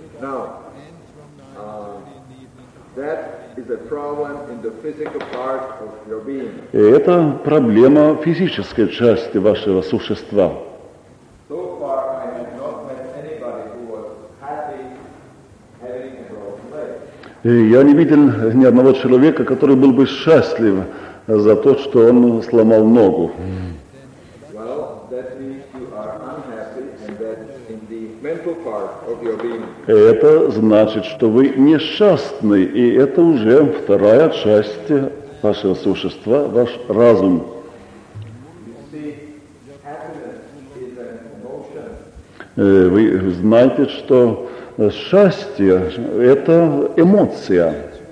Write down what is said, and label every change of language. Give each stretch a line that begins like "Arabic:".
English: Now, that is a problem in the physical part of your being.
Russian: Это проблема физической части вашего существа.
English: So far I have not met anybody who was happy having a broken leg.
Russian: Я не видел ни одного человека, который был бы счастлив за то, что он сломал ногу.
English: Well, that means you are unhappy and that in the mental part of your being.
Russian: Это значит, что вы несчастны, и это уже вторая часть вашего существа, ваш разум.
English: You see, happiness is an emotion.
Russian: Вы знаете, что счастье – это эмоция.